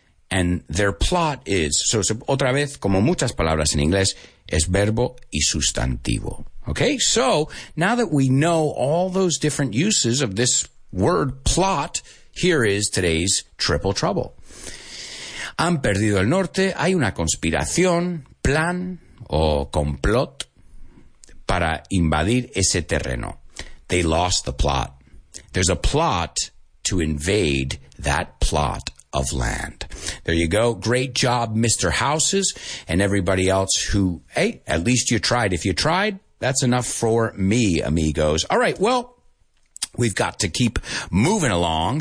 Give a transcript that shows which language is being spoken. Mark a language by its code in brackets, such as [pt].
[en] And their plot is, so [es] otra vez, como muchas palabras en inglés, es verbo y sustantivo. [en] Okay, so now that we know all those different uses of this word plot, here is today's triple trouble. [es] Han perdido el norte, hay una conspiración, plan o complot para invadir ese terreno. [en] They lost the plot. There's a plot to invade that plot of land. There you go. Great job, Mr. Houses, and everybody else who, hey, at least you tried. If you tried, that's enough for me, amigos. All right, well, we've got to keep moving along.